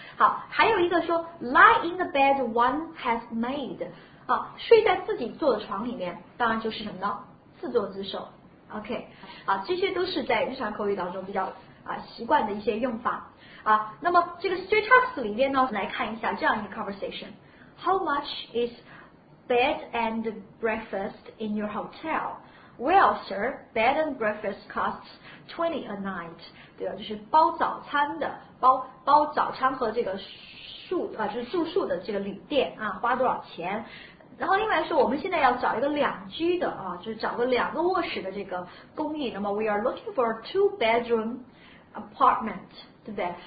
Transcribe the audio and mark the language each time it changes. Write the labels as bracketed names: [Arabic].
[Chinese] 好，还有一个说 [English] lie in the bed one has made， [Chinese] 啊，睡在自己做的床里面，当然就是什么呢？自作自受。 [English] OK， [Chinese] 啊，这些都是在日常口语当中比较啊习惯的一些用法啊。那么这个 Straight Talks 里面呢，来看一下这样一个 conversation。 [English] How much is bed and breakfast in your hotel? Well, sir, bed and breakfast costs 20 a night. [Chinese] 对啊，就是包早餐的，包早餐和这个宿啊，就是住宿的这个旅店啊，花多少钱？然后另外说，我们现在要找一个两居的啊，就是找个两个卧室的这个公寓。那么 [English] we are looking for a two bedroom apartment， [Chinese] 对不对？